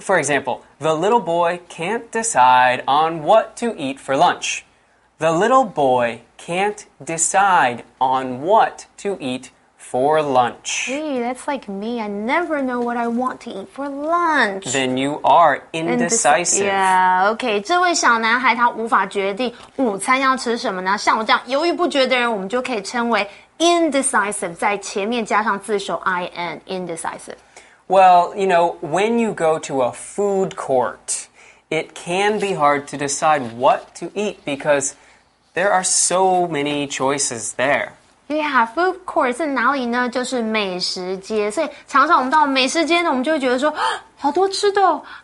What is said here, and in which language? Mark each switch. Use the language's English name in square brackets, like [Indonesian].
[English] For example, the little boy can't decide on what to eat for lunch. The little boy can't decide on what to eat for lunch. Gee, that's like me. I never know what I want to eat for lunch. Then you are indecisive. Okay. [Chinese] 这位小男孩他无法决定午餐要吃什么呢？像我这样犹豫不决的人，我们就可以称为 indecisive， 在前面加上自首 in， indecisive. [English] Well, you know, when you go to a food court, it can be hard to decide what to eat because there are so many choices there. [Chinese] Yeah, food court 是哪里呢？就是美食街。所以常常我们到美食街呢，我们就会觉得说，好多吃的哦。